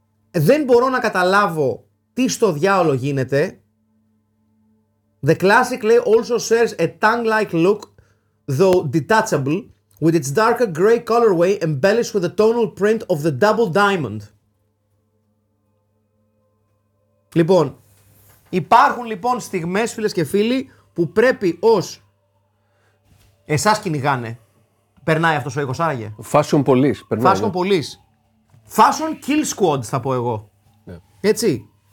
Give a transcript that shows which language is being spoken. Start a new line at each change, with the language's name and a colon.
Greek: Δεν μπορώ να καταλάβω τι στο διάολο γίνεται.
English: The classic lay also shares a tongue-like look, though detachable, with its darker grey colorway embellished with a tonal print of the double diamond.
Greek: Λοιπόν, υπάρχουν λοιπόν στιγμές, φίλες και φίλοι, που πρέπει ως εσάς κυνηγάνε. Περνάει αυτός ο ήχος, άραγε.
English: Fashion police.
Greek: Περνάει,
English: fashion police. Fashion kill squad,
Greek: θα πω εγώ.
English: Yeah.
Greek: Έτσι.